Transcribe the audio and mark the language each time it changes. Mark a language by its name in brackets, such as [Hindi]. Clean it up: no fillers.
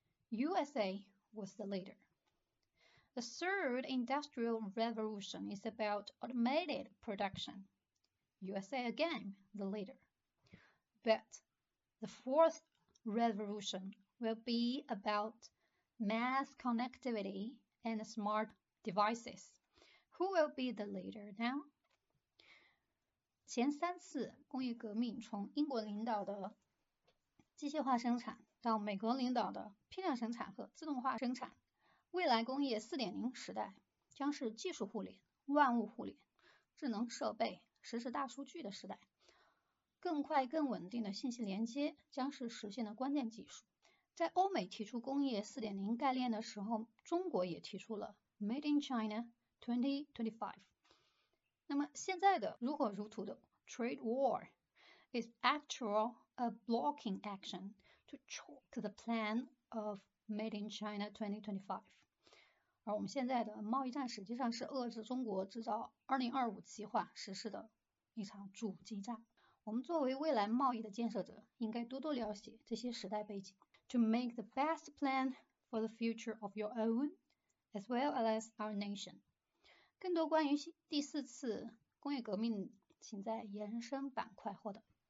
[English] USA was the leader. The third industrial revolution is about automated production. USA again the leader. But the fourthRevolution will be about mass connectivity and smart devices. Who will be the leader now? [Chinese] 前三次工业革命，从英国领导的机械化生产到美国领导的批量生产和自动化生产，未来工业 4.0 时代将是技术互联、万物互联、智能设备、实时大数据的时代。更快更稳定的信息连接将是实现的关键技术。在欧美提出工业 4.0 概念的时候，中国也提出了 Made in China 2025。那么现在的如火如荼的 [English] Trade War is actually a blocking action to choke the plan of Made in China 2025。 [Chinese] 而我们现在的贸易战实际上是遏制中国制造2025计划实施的一场阻击战。我们作为未来贸易的建设者，应该多多了解这些时代背景。 [English] To make the best plan for the future of your own, as well as our nation. [Chinese] 更多关于第四次工业革命，请在延伸板块获得。